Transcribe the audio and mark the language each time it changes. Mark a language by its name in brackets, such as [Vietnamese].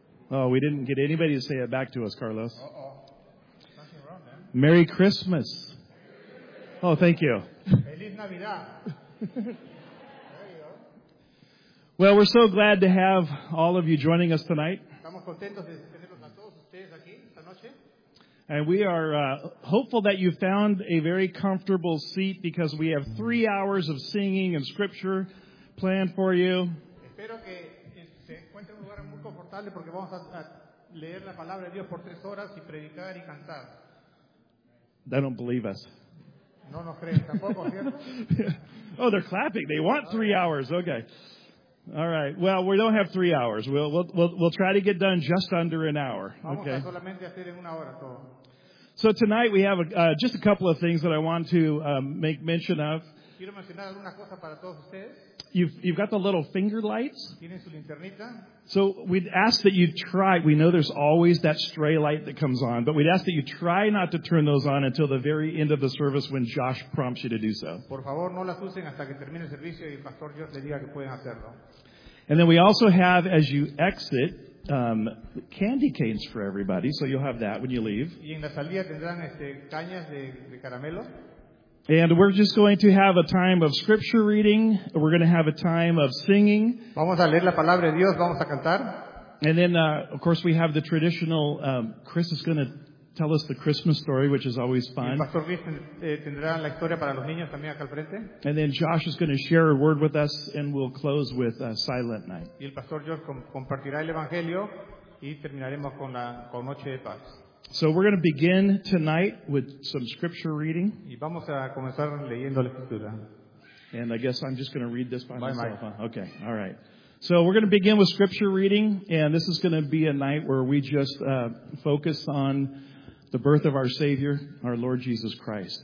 [English] Oh, we didn't get anybody to say it back to us, Carlos. Uh-oh. Nothing wrong, man. Merry Christmas. Oh, thank you. [Spanish] Feliz Navidad. [English] There you go. Well, we're so glad to have all of you joining us tonight. [Spanish] Estamos contentos de tenerlos a todos ustedes aquí esta noche. [English] And we are hopeful that you found a very comfortable seat because we have 3 hours of singing and scripture planned for you. [Spanish] Espero que se encuentre un lugar muy confortable porque vamos a leer la palabra de Dios por 3 horas y predicar y cantar. [English] They don't believe us. [Spanish] No nos creen tampoco, ¿cierto? [English] Oh, they're clapping. They want 3 hours. Okay. All right. Well, we don't have 3 hours. We'll try to get done just under an hour. Okay. [Spanish] Vamos a solamente hacer en una hora todo. [English] So tonight we have just a couple of things that I want to make mention of. [Spanish] Quiero mencionar alguna cosa para todos ustedes. [English] You've got the little finger lights. [Spanish] ¿Tienen su linternita? [English] So we'd ask that you try. We know there's always that stray light that comes on, but we'd ask that you try not to turn those on until the very end of the service when Josh prompts you to do so. [Spanish] Por favor, no las usen hasta que termine el servicio y el pastor Josh le diga que pueden hacerlo. [English] And then we also have, as you exit, candy canes for everybody, so you'll have that when you leave. [Spanish] Y en la salida tendrán cañas de caramelo. [English] And we're just going to have a time of scripture reading. We're going to have a time of singing. [Spanish] Vamos a leer la palabra de Dios. Vamos a cantar. [English] And then, of course, we have the traditional, Chris is going to tell us the Christmas story, which is always fun. [Spanish] Y Pastor Luis tendrá la historia para los niños también acá al frente. [English] And then Josh is going to share a word with us, and we'll close with a silent night. [Spanish] Y el Pastor Josh compartirá el Evangelio, y terminaremos con Noche de Paz. [English] So we're going to begin tonight with some scripture reading. [Spanish] Y vamos a comenzar leyendo la escritura. [English] And I guess I'm just going to read this by bye myself. Bye. Huh? Okay, all right. So we're going to begin with scripture reading, and this is going to be a night where we just focus on the birth of our Savior, our Lord Jesus Christ.